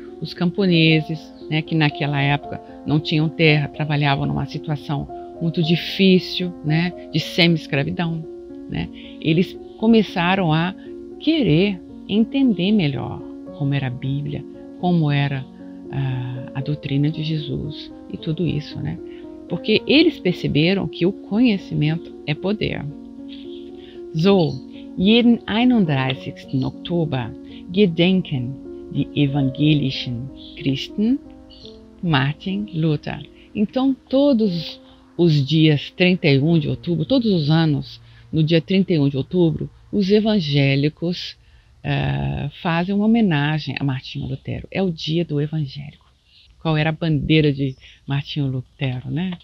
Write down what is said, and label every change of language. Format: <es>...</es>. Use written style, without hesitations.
<pt>Os camponeses, né, que naquela época não tinham terra, trabalhavam numa situação muito difícil, né, de semi-escravidão, né, eles começaram a querer entender melhor como era a Bíblia, como era a doutrina de Jesus e tudo isso, né? Porque eles perceberam que o conhecimento é poder.</pt> <de>So, jeden 31. Oktober gedenken die evangelischen Christen Martin Luther.</de> <pt>Então, todos os dias 31 de outubro, todos os anos, no dia 31 de outubro, os evangélicos fazem uma homenagem a Martinho Lutero. É o dia do evangélico. Qual era a bandeira de Martinho Lutero, né?</pt>